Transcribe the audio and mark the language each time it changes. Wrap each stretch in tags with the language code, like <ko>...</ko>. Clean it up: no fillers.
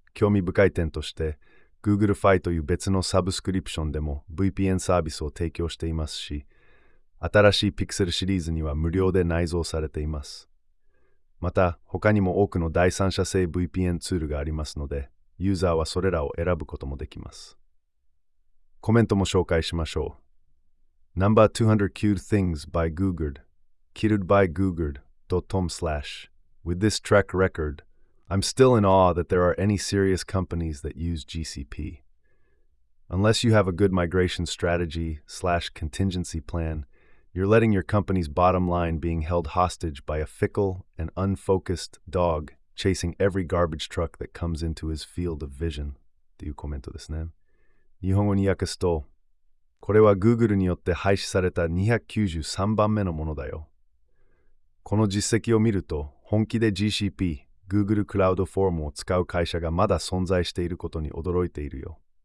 <ja>興味深い点として、Google Fi という別のサブスクリプションでも VPN サービスを提供していますし、新しい Pixel シリーズには無料で内蔵されています。また、他にも多くの第三者製 VPN ツールがありますので、ユーザーはそれらを選ぶこともできます。コメントも紹介しましょう。</ja> <en>No. 209 Things by Google Killed by Google.com/ With this track record, I'm still in awe that there are any serious companies that use GCP. Unless you have a good migration strategy/contingency plan,You're letting your company's bottom line being held hostage by a fickle and unfocused dog chasing every garbage truck that comes into his field of vision.</en> <ja>というコメントですね。日本語に訳すと、これは Google によって廃止された293番目のものだよ。この実績を見ると、本気で GCP、Google Cloud Form を使う会社がまだ存在していることに驚いているよ。</ja>